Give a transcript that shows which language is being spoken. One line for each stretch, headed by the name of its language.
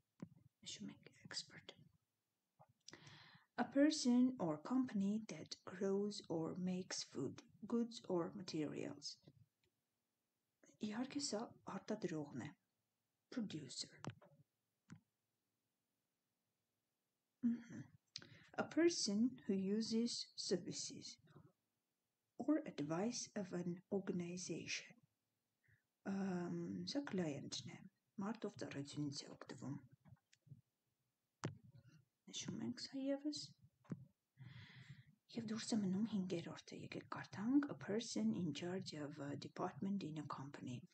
Armenian: Նշում ենք expert.
English: A person or company that grows or makes food, goods or materials.
Armenian: Իհարկե սա արտադրողն է։ Producer.
English: A person who uses services or advice of an organization.
Armenian: Սա client-ն է, մարդով ծառայությունից է օգտվում։ Նշում ենք սա եւս։ Եվ դուրս է մնում 5-րդը, եկեք կարդանք,
English: a person in charge of a department in a company.